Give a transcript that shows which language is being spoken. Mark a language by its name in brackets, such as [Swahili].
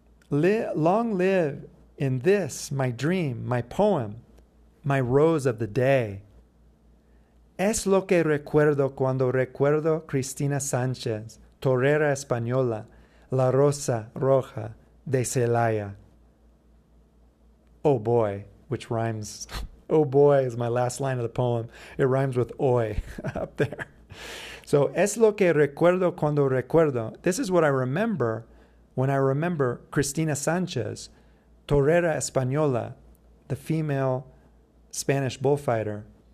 [English] Long live in this, my dream, my poem, my rose of the day. [Spanish] Es lo que recuerdo cuando recuerdo Cristina Sánchez, torera española, la rosa roja de Celaya. [English] Oh boy, which rhymes. Oh boy is my last line of the poem. It rhymes with oi up there. So, [Spanish] es lo que recuerdo cuando recuerdo. [English] This is what I remember when I remember Cristina Sánchez, [Spanish] Torera Española, [English] the female Spanish bullfighter.